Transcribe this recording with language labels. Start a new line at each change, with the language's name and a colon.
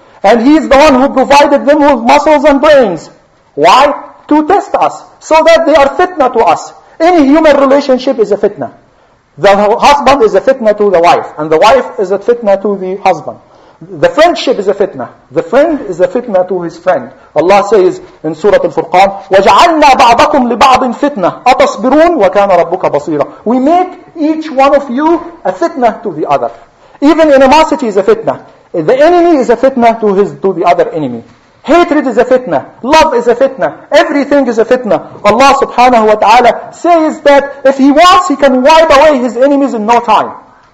English: And He is the one who provided them with muscles and brains. Why? To test us. So that they are fitna to us. Any human relationship is a fitna. The husband is a fitna to the wife. And the wife is a fitna to the husband. The friendship is a fitna. The friend is a fitna to his friend. Allah says in Surah Al-Furqan,
Arabic: وَجَعَلْنَا بَعْضَكُمْ لِبَعْضٍ فِتْنَةً أَتَصْبِرُونَ وَكَانَ رَبُّكَ بَصِيرًا.
English: We make each one of you a fitna to the other. Even animosity is a fitna. The enemy is a fitna to his to the other enemy. Hatred is a fitna. Love is a fitna. Everything is a fitna. Allah subhanahu wa ta'ala says that if He wants, He can wipe away His enemies in no time.